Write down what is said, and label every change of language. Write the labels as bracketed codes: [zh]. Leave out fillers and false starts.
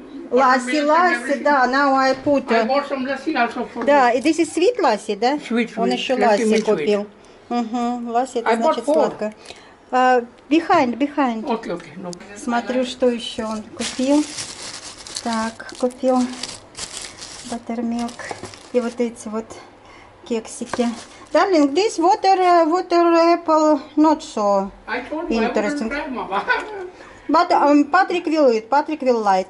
[ru] Ласси, ласси, да, [en] now I put. I bought some lassi also for. [ru] Да, и [en] this is sweet lassi, [ru] да? [en] Sweet, sweet. [ru] Он еще ласси купил. Угу, ласси, это значит сладко. [en] Behind, behind. Okay, okay. No. [ru] Смотрю, что еще он купил. Так, купил buttermilk. И вот эти вот кексики. [en] Darling, this water apple not so interesting. But Patrick will eat, Patrick will like.